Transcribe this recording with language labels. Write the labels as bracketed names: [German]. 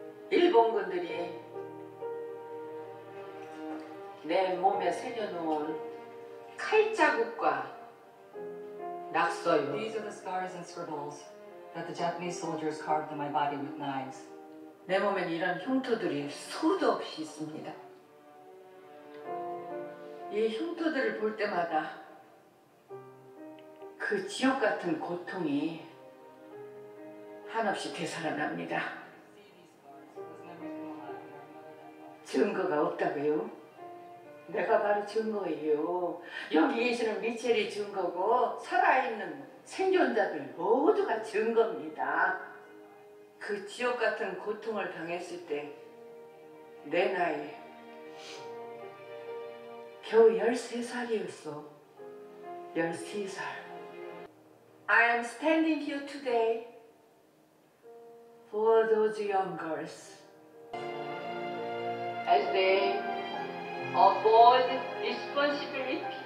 [Korean] 일본군들이 내 몸에 새겨놓은 칼자국과 낙서요. [English] These are the scars and scribbles that the Japanese soldiers carved in my body with knives. [Korean] 내 몸엔 이런 흉터들이 수도 없이 있습니다. 이 흉터들을 볼 때마다 그 지옥 같은 고통이 한없이 되살아납니다. 증거가 없다고요? 내가 바로 증거예요. 여기 계시는 미첼이 증거고 살아있는 생존자들 모두가 증거입니다. 그 지옥 같은 고통을 당했을 때 내 나이 겨우 13살이었어. 13살. [English] I am standing here today for those young girls. As they aboard this conspiracy.